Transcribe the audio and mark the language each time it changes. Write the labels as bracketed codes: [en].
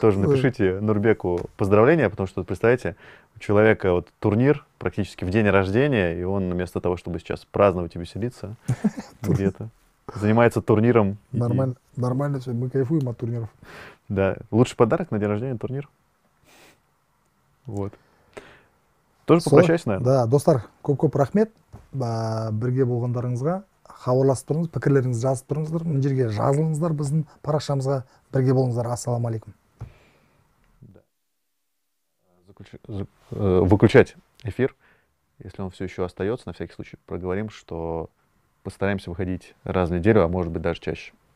[ru] Тоже напишите Нурбеку поздравления, потому что, представляете, у человека вот турнир практически в день рождения, и он вместо того, чтобы сейчас праздновать и веселиться где-то, занимается турниром. Нормально все, мы кайфуем от турниров. Да, лучший подарок на день рождения — турнир. Вот. Тоже попрощайся, наверное. [kk] Да, достар, көп-көп рахмет. Бірге болғандарыңызға, хабарласып тұрыңыз, пікірлеріңізді жазып тұрыңыздар. Мына жерге жазылыңыздар біздің парақшамызға. Бірге болыңыздар. Ассаламу алейкум. [ru] Выключать эфир, если он все еще остается, на всякий случай проговорим, что постараемся выходить раз в неделю, а может быть даже чаще.